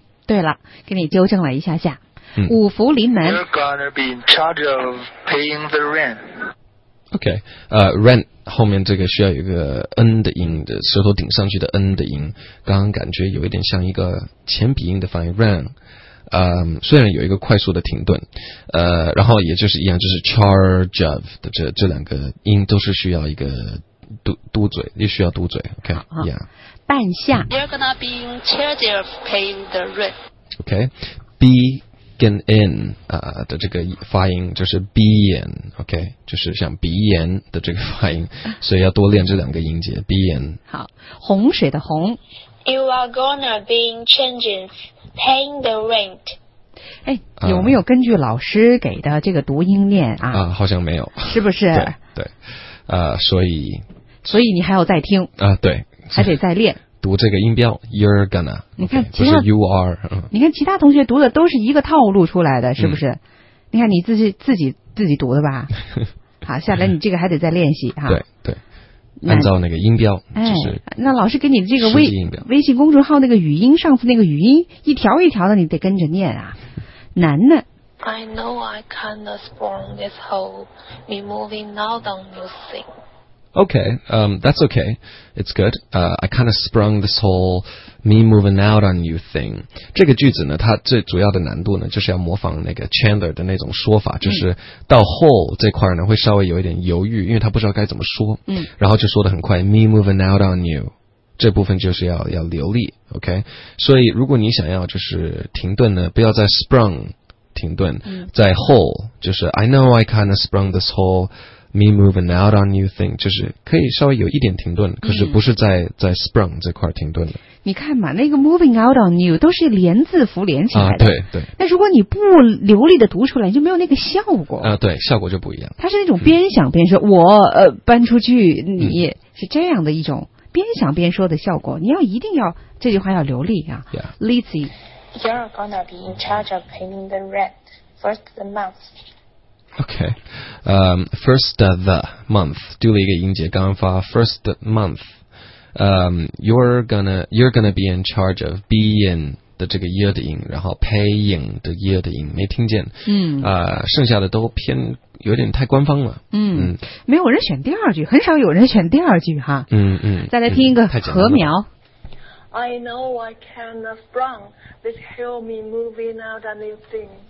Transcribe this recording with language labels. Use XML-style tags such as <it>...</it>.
<zh>对了，给你纠正了一下下，五福临门。</zh> <en>You're gonna be in charge of paying the rent.</en> <zh>Okay, rent 后面这个需要有一个 n 的音的，舌头顶上去的 n 的音，刚刚感觉有一点像一个前鼻音的发音 rent。虽然有一个快速的停顿，然后也就是一样，就是 charge of 的这两个音都是需要一个嘟嘴，也需要嘟嘴。</zh> <en>Okay, yeah.</en> <zh>半夏</zh> <en>You're gonna be in charge of paying the rent.</en> <zh>Okay, B 跟 N 的这个发音就是 B 音 okay, 就是像鼻炎的这个发音，所以要多练这两个音节 B 音。好，洪水的洪。</zh> <en>You are gonna be in charge of paying the rent.</en> <zh>哎，有没有根据老师给的这个读音念啊？啊，好像没有，是不是？对，所以你还要再听啊？对。还得再练读这个音标 you're gonna 你看</zh> <en>okay, 不是 you are、</en> <zh>你看其他同学读的都是一个套路出来的是不是、你看你自己读的吧好下来你这个还得再练习哈对按照那个音标、就是、那老师给你这个微信公众号那个语音上次那个语音一条一条的你得跟着念啊难呢</zh> <en>I know I kinda spawn this whole me moving out on you thing Okay, that's okay. It's good. I kind of sprung this whole me moving out on you thing.</en> <zh>这个句子呢，它最主要的难度呢，就是要模仿那个 Chandler 的那种说法，就是到 whole 这块呢，会稍微有一点犹豫，因为他不知道该怎么说。然后就说得很快 ， me moving out on you。这部分就是要流利 ，Okay. 所以如果你想要就是停顿呢，不要再 sprung 停顿，在 whole 就是 I know I kind of sprung this whole. Me moving out on new thing 就是可以稍微有一点停顿可是不是在 sprung 这块停顿的你看嘛那个 moving out on new 都是连字符连起来的、对那如果你不流利的读出来就没有那个效果啊、对效果就不一样它是那种边想边说、我搬出去你是这样的一种边想边说的效果你要一定要这句话要流利啊</zh> <en>yeah. Lizzie You're gonna be in charge of paying the rent first the month Okay, first the month 丢了一个音节，刚刚发 first month. You're gonna be in charge of being 的这个 year 的音，然后 paying 的 year 的音没听见。</en> <zh>剩下的都偏有点太官方了。没有人选第二句，很少有人选第二句哈。再来听一个禾苗。</zh> <en>I know I can't sprung this hill me moving out a new thing.</en>